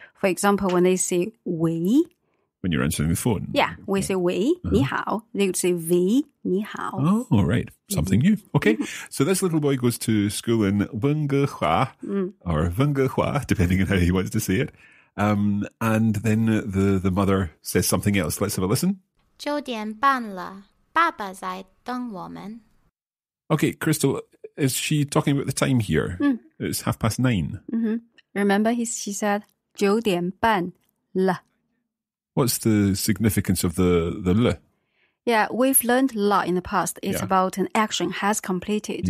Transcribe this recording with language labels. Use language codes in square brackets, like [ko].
[en] For example, when they say 喂, when you're answering the phone. Yeah, we say [zh] 喂, 你好. [en] They would say 喂, 你好. Oh, right. Something new. Okay. So this little boy goes to school in 温哥华, or 温哥华, depending on how he wants to say it. And then the mother says something else. Let's have a listen. [zh] 九点半了, 爸爸在等我们。 [en] Okay, Crystal, is she talking about the time here? Mm. It's 9:30. Mm-hmm. Remember, she said [zh] 九点半了. [en] What's the significance of the le? Yeah, we've learned a lot in the past. It's about an action has completed.